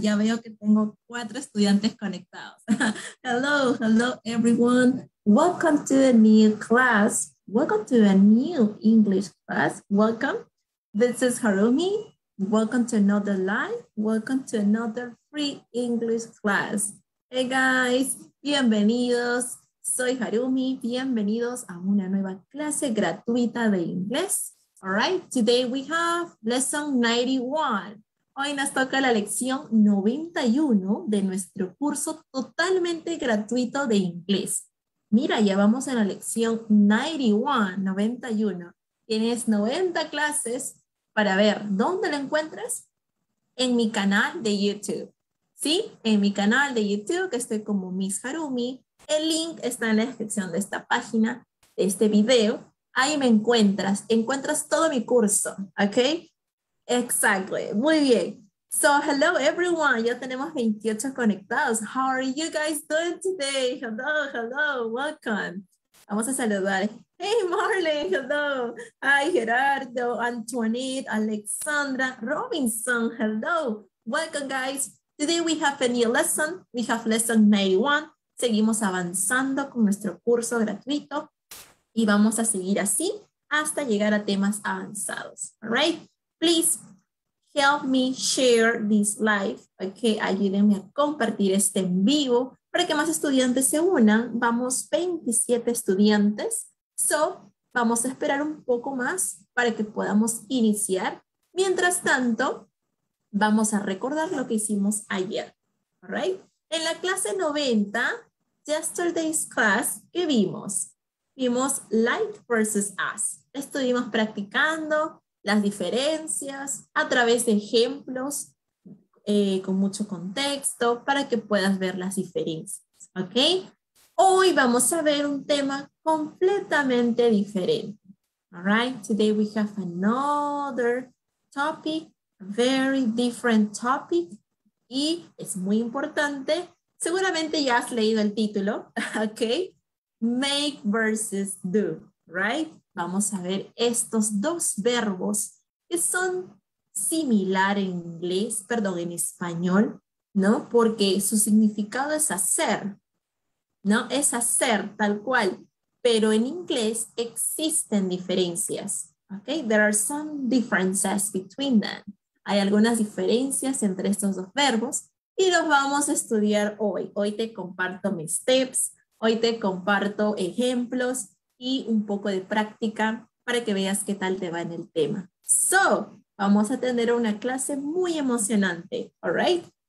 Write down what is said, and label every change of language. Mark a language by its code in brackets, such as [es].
[es] Ya veo que tengo cuatro estudiantes conectados. [en] Hello everyone. Welcome to a new class. Welcome to a new English class. Welcome. This is Harumi. Welcome to another live. Welcome to another free English class. Hey guys, [es] bienvenidos. Soy Harumi. Bienvenidos a una nueva clase gratuita de inglés. [en] All right, today we have lesson 91. [es] Hoy nos toca la lección 91 de nuestro curso totalmente gratuito de inglés. Mira, ya vamos en la lección 91. Tienes 90 clases para ver. ¿Dónde la encuentras? En mi canal de YouTube. Sí, en mi canal de YouTube, que estoy como Miss Harumi. El link está en la descripción de esta página, de este video. Ahí me encuentras. Encuentras todo mi curso. [en] ¿Ok? Exactly. [es] Muy bien. [en] So, hello everyone. [es] Ya tenemos 28 conectados. [en] How are you guys doing today? Hello, hello. Welcome. [es] Vamos a saludar. [en] Hey, Marlene. Hello. Hi, Gerardo, Antoinette, Alexandra, Robinson. Hello. Welcome, guys. Today we have a new lesson. We have lesson 91. [es] Seguimos avanzando con nuestro curso gratuito. Y vamos a seguir así hasta llegar a temas avanzados. [en] All right? Please help me share this live. [es] Okay, ayúdenme a compartir este en vivo para que más estudiantes se unan. Vamos 27 estudiantes. So, vamos a esperar un poco más para que podamos iniciar. Mientras tanto, vamos a recordar lo que hicimos ayer. [en] All right? [es] En la clase 90, [en] yesterday's class, [es] ¿qué vimos? Vimos like versus as. Estuvimos practicando las diferencias a través de ejemplos con mucho contexto para que puedas ver las diferencias. ¿Ok? Hoy vamos a ver un tema completamente diferente. [en] All right? Today we have another topic, very different topic. [es] Y es muy importante. Seguramente ya has leído el título. ¿Ok? Make versus do, right? Vamos a ver estos dos verbos que son similar en inglés, perdón, en español, ¿no? Porque su significado es hacer, ¿no? Es hacer tal cual, pero en inglés existen diferencias, ¿ok? [en] There are some differences between them. [es] Hay algunas diferencias entre estos dos verbos y los vamos a estudiar hoy. Hoy te comparto mis tips. Hoy te comparto ejemplos y un poco de práctica para que veas qué tal te va en el tema. So, vamos a tener una clase muy emocionante, [en] all right?